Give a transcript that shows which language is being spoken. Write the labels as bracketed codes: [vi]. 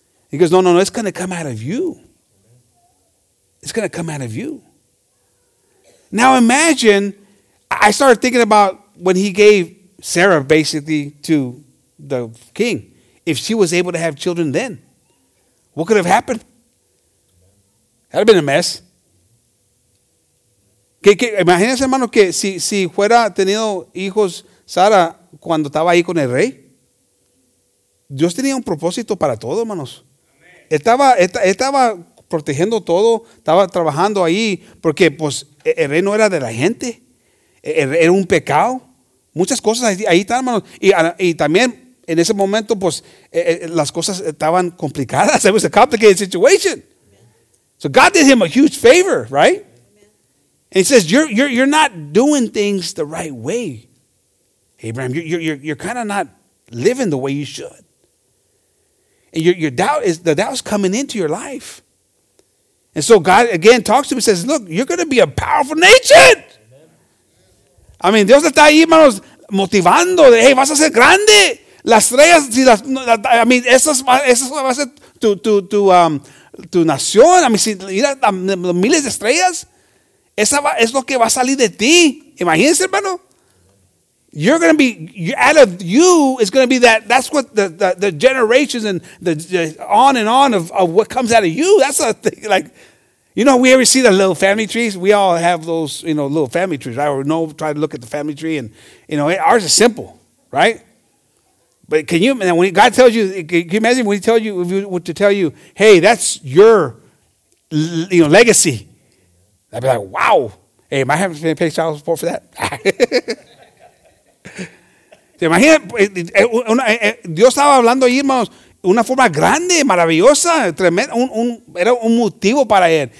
[en] He goes, no, it's going to come out of you. It's going to come out of you. Now imagine, I started thinking about when he gave Sarah basically to the king. If she was able to have children then, what could have happened? That would have been a mess. [es] Imagínense, hermano, que si fuera tenido hijos Sara cuando estaba ahí con el rey. Dios tenía un propósito para todo, hermanos. Estaba protegiendo todo, estaba trabajando ahí, porque pues el reino era de la gente, era un pecado, muchas cosas ahí están, hermanos, y también en ese momento pues las cosas estaban complicadas. [en] It was a complicated situation. So God did him a huge favor, right? And he says, you're not doing things the right way, Abraham. You're kind of not living the way you should, and your doubt is coming into your life. And so God again talks to him and says, look, you're going to be a powerful nation. [es] Amen. I mean, Dios está ahí, hermanos, motivando. Hey, vas a ser grande. Las estrellas, esas va a ser tu nación. I mean, si miras miles de estrellas, esa va, es lo que va a salir de ti. Imagínense, hermano. [en] You're going to be, out of you, it's going to be that's what the generations and the on and on of what comes out of you. That's a thing, like, you know, we ever see the little family trees? We all have those, you know, little family trees, right? Or no, try to look at the family tree and, you know, ours is simple, right? But can you, and when God tells you, can you imagine when he tells you, if he were to tell you, hey, that's your, you know, legacy. I'd be like, wow. Hey, am I having to pay child support for that? [es] Dios estaba hablando ahí, hermanos, una forma grande, maravillosa, tremenda, era un motivo para él.